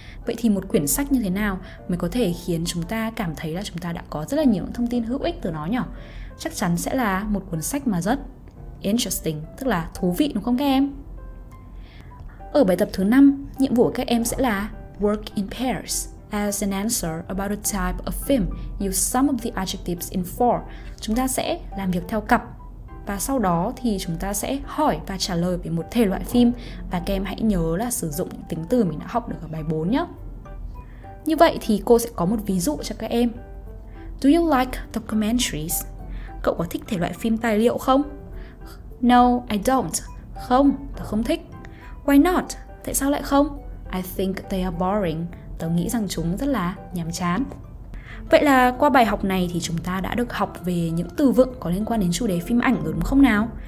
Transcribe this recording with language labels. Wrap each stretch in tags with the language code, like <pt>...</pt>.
<vi>Vậy thì một quyển sách như thế nào mới có thể khiến chúng ta cảm thấy là chúng ta đã có rất là nhiều thông tin hữu ích từ nó nhỉ? Chắc chắn sẽ là một cuốn sách mà rất interesting, tức là thú vị đúng không các em? Ở bài tập thứ 5, nhiệm vụ của các em sẽ là</vi> <en>work in pairs as an answer about a type of film. Use some of the adjectives in four.</en> <vi>Chúng ta sẽ làm việc theo cặp và sau đó thì chúng ta sẽ hỏi và trả lời về một thể loại phim, và các em hãy nhớ là sử dụng những tính từ mình đã học được ở bài 4 nhé. Như vậy thì cô sẽ có một ví dụ cho các em.</vi> <en>Do you like documentaries?</en> <vi>Cậu có thích thể loại phim tài liệu không?</vi> <en>No, I don't.</en> <vi>Không, tớ không thích.</vi> <en>Why not?</en> <vi>Tại sao lại không?</vi> <en>I think they are boring.</en> <vi>Tớ nghĩ rằng chúng rất là nhàm chán. Vậy là qua bài học này thì chúng ta đã được học về những từ vựng có liên quan đến chủ đề phim ảnh rồi đúng không nào?</vi>